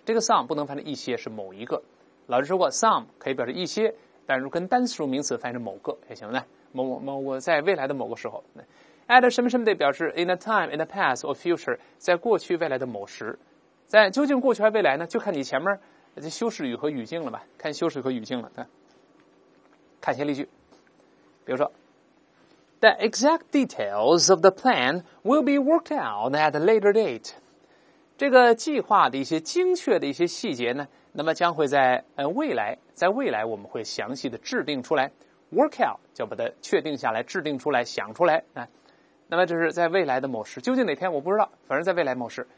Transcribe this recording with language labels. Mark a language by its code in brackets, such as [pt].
[zh] 这个 some 不能翻成一些，是某一个。老师说过 ，some 可以表示一些，但如果跟单数名词翻成某个也行的。某在未来的某个时候 ，at 什么什么 day 表示 [en] in a time in the past or future， [zh] 在过去未来的某时。在究竟过去还未来呢？就看你前面这修饰语和语境了吧，看修饰和语境了。对，看些例句，比如说。 [en] The exact details of the plan will be worked out at a later date. [zh] 这个计划的一些精确的一些细节呢，那么将会在未来我们会详细的制定出来。 Work out 就把它确定下来，制定出来，想出来。那么这是在未来的某时，究竟哪天我不知道，反正在未来某时。